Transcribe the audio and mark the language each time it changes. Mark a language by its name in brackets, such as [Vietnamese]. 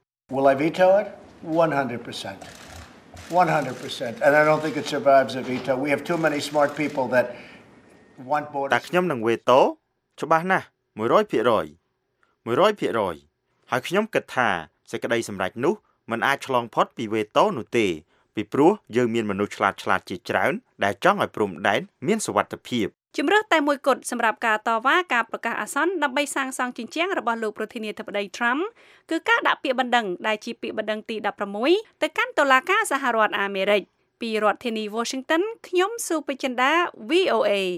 [English] Will I veto it? 100%. 100%. And I don't think it survives a veto. We have too many smart people that want borders. [Khmer] តើខ្ញុំនឹងវេតូច្បាស់ណាស់ 100%. 100%. ហើយខ្ញុំគិតថាសេចក្តីសម្រេចនោះ [Thai] มัน [Khmer] អាចឆ្លងផុតពីវេតូនោះទេពីព្រោះយើងមានមនុស្សឆ្លាតឆ្លាតជាច្រើនដែលចង់ឲ្យព្រំដែនមានសវត្ថភាព ជំរើសតែមួយគត់សម្រាប់ការតវ៉ាការប្រកាសអាសន្នដើម្បីសាងសង់ជញ្ជាំងរបស់លោកប្រធានាធិបតីត្រាំគឺការដាក់ពាក្យបណ្ដឹងដែលជាពាក្យបណ្ដឹងទី16ទៅកាន់តុលាការសហរដ្ឋអាមេរិកពីរដ្ឋធានី Washington ខ្ញុំស៊ូពេជិនដា VOA